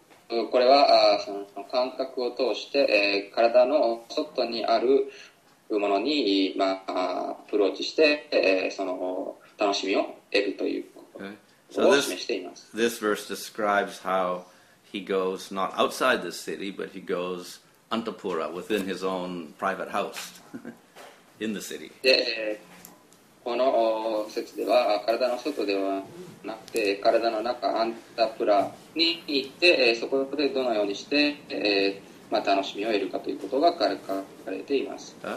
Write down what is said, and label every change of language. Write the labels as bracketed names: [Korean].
[Japanese] これはその感覚を通して、体の外にあるうものに、まあ、アプローチして、その楽しみを得るということを示しています。 [English] Okay. So、this verse describes how he goes not outside the city, but he goes Antapura within his own private house in the city. [Japanese] で、この説では体の外ではなくて体の中アンタプラに行ってそこでどのようにして、まあ、楽しみを得るかということが書かれています。